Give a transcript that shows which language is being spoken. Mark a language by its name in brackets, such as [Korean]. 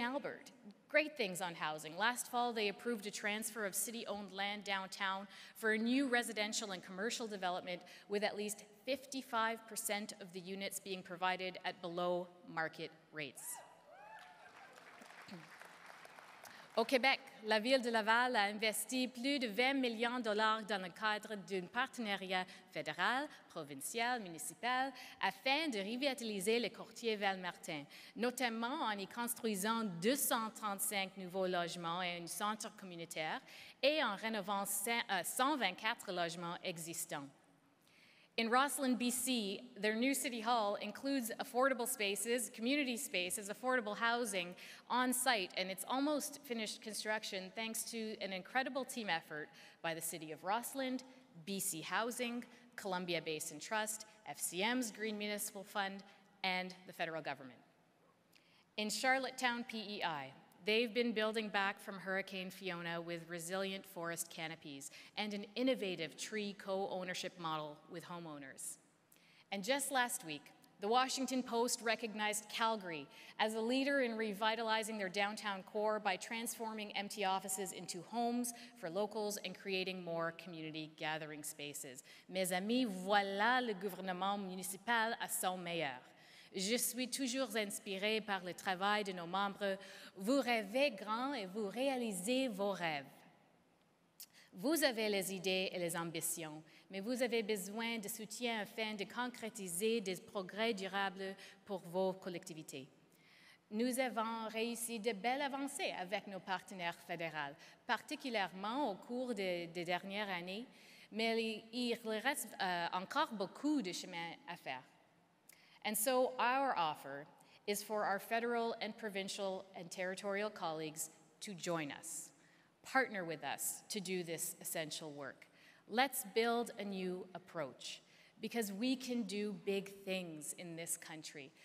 [English] Albert, great things on housing. Last fall, they approved a transfer of city-owned land downtown for a new residential and commercial development with at least 55% of the units being provided at below market rates. [French] Au Québec, la ville de Laval a investi plus de 20 millions de dollars dans le cadre d'un partenariat fédéral, provincial, municipal, afin de revitaliser le quartier Val-Martin, notamment en y construisant 235 nouveaux logements et un centre communautaire et en rénovant 124 logements existants. [English] In Rosslyn, BC, their new city hall includes affordable spaces, community spaces, affordable housing on site, and it's almost finished construction thanks to an incredible team effort by the City of Rosslyn, BC Housing, Columbia Basin Trust, FCM's Green Municipal Fund, and the federal government. In Charlottetown, PEI, they've been building back from Hurricane Fiona with resilient forest canopies and an innovative tree co-ownership model with homeowners. And just last week, the Washington Post recognized Calgary as a leader in revitalizing their downtown core by transforming empty offices into homes for locals and creating more community gathering spaces. [French] Mes amis, voilà le gouvernement municipal à son meilleur. Je suis toujours inspirée par le travail de nos membres. Vous rêvez grand et vous réalisez vos rêves. Vous avez les idées et les ambitions, mais vous avez besoin de soutien afin de concrétiser des progrès durables pour vos collectivités. Nous avons réussi de belles avancées avec nos partenaires fédéraux, particulièrement au cours des dernières années, mais il reste encore beaucoup de chemin à faire. [English] And so our offer is for our federal and provincial and territorial colleagues to join us. partner with us to do this essential work. Let's build a new approach, because we can do big things in this country.